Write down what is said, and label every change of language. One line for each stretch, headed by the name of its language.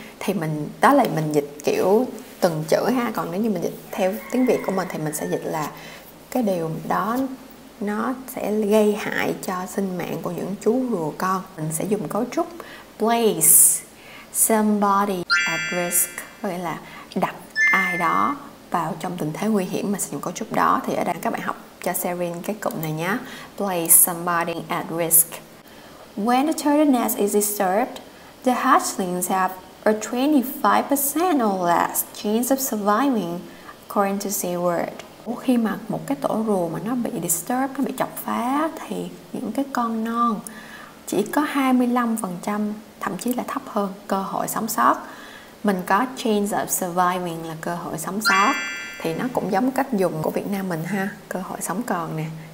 Vietnamese: Thì mình, đó là mình dịch kiểu từng chữ ha. Còn nếu như mình dịch theo tiếng Việt của mình thì mình sẽ dịch là cái điều đó nó sẽ gây hại cho sinh mạng của những chú rùa con. Mình sẽ dùng cấu trúc
English: place somebody at risk,
Vietnamese: gọi là đặt ai đó vào trong tình thế nguy hiểm, mà sử dụng cấu trúc đó. Thì ở đây các bạn học cho Serene cái cụm này nhé,
English: place somebody at risk. When the turtle nest is disturbed, the hatchlings have a 25% or less chance of surviving, according to Seward.
Vietnamese: Khi mà một cái tổ rùa mà nó bị disturb, nó bị chọc phá, thì những cái con non chỉ có 25%, thậm chí là thấp hơn, cơ hội sống sót. Mình có
English: chance of surviving
Vietnamese: là cơ hội sống sót, thì nó cũng giống cách dùng của Việt Nam mình ha, cơ hội sống còn nè.